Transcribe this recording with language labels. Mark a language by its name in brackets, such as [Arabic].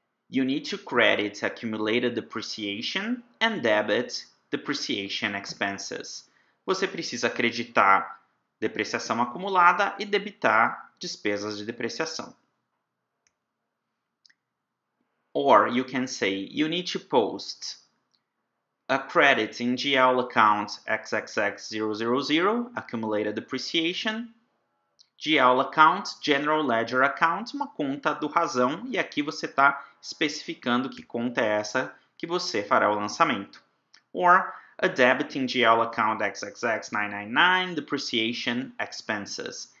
[English] You need to credit accumulated depreciation and debit depreciation expenses. [Portuguese] Você precisa acreditar depreciação acumulada e debitar despesas de depreciação. [English] Or you can say, you need to post a credit in GL account XXX000, accumulated depreciation. GL account, general ledger account, [Portuguese] uma conta do razão. E aqui você está especificando que conta é essa que você fará o lançamento. [English] Or a debit in GL account XXX999, depreciation expenses.